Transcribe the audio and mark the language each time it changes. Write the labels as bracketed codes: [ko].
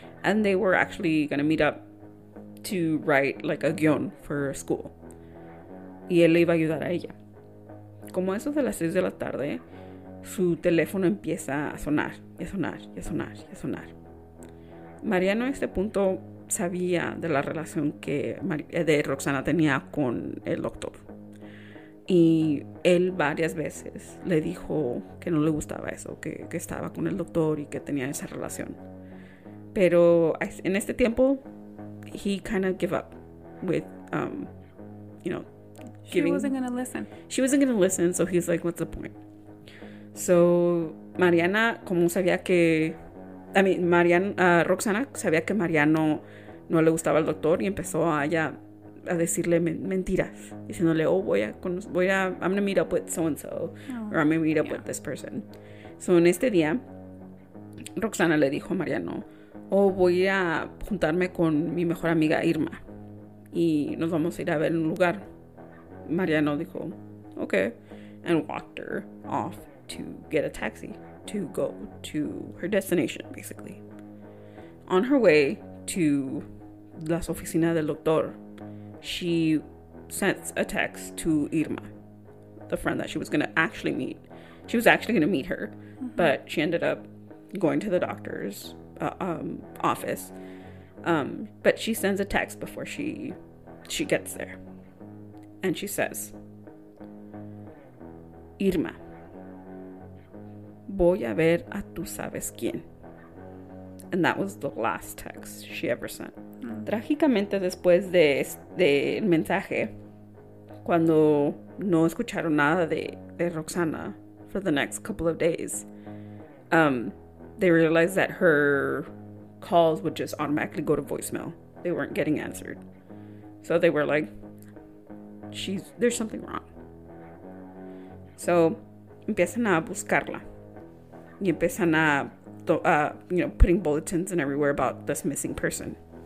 [en] And they were actually going to meet up to write, like, a guion for school. [es] Y él le iba a ayudar a ella. Como eso de las 6 de la tarde, su teléfono empieza a sonar, y a sonar, y a sonar, y a sonar. Mariano a este punto sabía de la relación que de Roxana tenía con el doctor. Y él varias veces le dijo que no le gustaba eso, que estaba con el doctor y que tenía esa relación. Pero en este tiempo, [en] he kind of gave up with, you know, She wasn't going to listen. She wasn't going to listen, so he's like, what's the point? So, Mariana, [es] como sabía que... [en] I mean, [es] Roxana sabía que Mariano no le gustaba el doctor y empezó a decirle mentiras. Diciéndole, [en] oh, I'm going to meet up with so-and-so. Oh, or I'm going to meet up with this person. [es] So, en este día, Roxana le dijo a Mariano, oh, voy a juntarme con mi mejor amiga Irma. Y nos vamos a ir a ver un lugar. Mariano dijo, [en] okay, and walked her off to get a taxi to go to her destination, basically. On her way to [es] las oficinas del doctor, [en] she sent a text to Irma, the friend that she was going to actually meet. She was actually going to meet her, but she ended up going to the doctor's office. But she sends a text before she gets there. And she says, [es] Irma, voy a ver a tu sabes quién. [en] And that was the last text she ever sent. [es] Trágicamente, después del mensaje, cuando no escucharon nada de Roxana, [en] for the next couple of days. They realized that her calls would just automatically go to voicemail. They weren't getting answered. So they were like, there's something wrong. So [es] empiezan a buscarla. Y empiezan a, [en] putting bulletins and everywhere about this missing person.